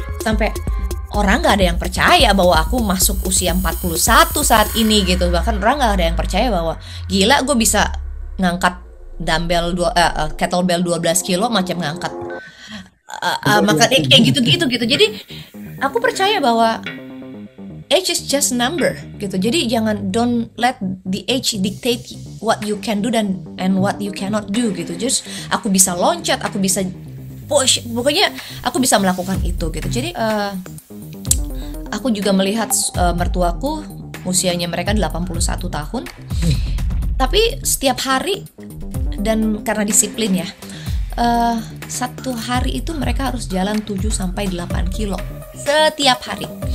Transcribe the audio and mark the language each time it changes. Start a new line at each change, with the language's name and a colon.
Indonesian: Sampai orang gak ada yang percaya bahwa aku masuk usia 41 saat ini gitu. Bahkan orang gak ada yang percaya bahwa gila, gue bisa ngangkat dumbbell kettlebell 12 kilo macam ngangkat makan kayak gitu-gitu gitu. Jadi aku percaya bahwa
English: age is just number
Indonesian: gitu. Jadi jangan,
English: don't let the age dictate what you can do and what you cannot do gitu.
Indonesian: Just aku bisa loncat, aku bisa push, pokoknya aku bisa melakukan itu gitu. Jadi aku juga melihat mertuaku, usianya mereka 81 tahun. Tapi setiap hari, dan karena disiplin ya, satu hari itu mereka harus jalan 7-8 kilo setiap hari.